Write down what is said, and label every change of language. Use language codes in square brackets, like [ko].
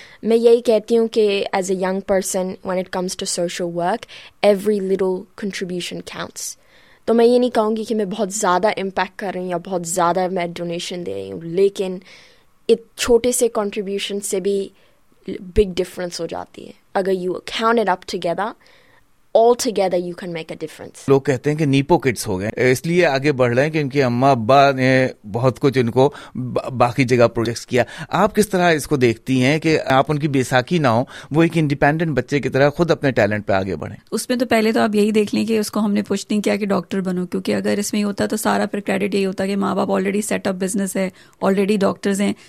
[ur] میں یہی کہتی ہوں کہ [en] As a young person when it comes to social work every little contribution counts. [ur] تو میں یہ نہیں کہوں گی کہ میں بہت زیادہ امپیکٹ کر رہی ہوں یا بہت زیادہ میں ڈونیشن دے رہی ہوں, لیکن ایک چھوٹے سے کنٹریبیوشن سے بھی بگ ڈفرینس ہو جاتی ہے. [en] اگر you count it up together, all together you can make a difference. [ur] لوگ کہتے ہیں کہ نیپو کٹس ہو گئے, اس لیے آگے بڑھ رہے ہیں کہ ان کے اماں ابا نے بہت کچھ ان کو باقی جگہ پروجیکٹس کیا. آپ کس طرح اس کو دیکھتی ہیں کہ آپ ان کی بیساکھی نہ ہو, وہ ایک انڈیپینڈنٹ بچے کی طرح خود اپنے ٹیلنٹ پہ آگے بڑھیں؟ اس میں تو پہلے تو آپ یہی دیکھ لیں کہ اس کو ہم نے پوچھتے ہیں کیا کہ ڈاکٹر بنو, کیونکہ اگر اس میں یہ ہوتا تو سارا پھر کریڈٹ یہی ہوتا کہ ماں باپ آلریڈی سیٹ اپ بزنس ہے, آلریڈی ڈاکٹرز ہیں.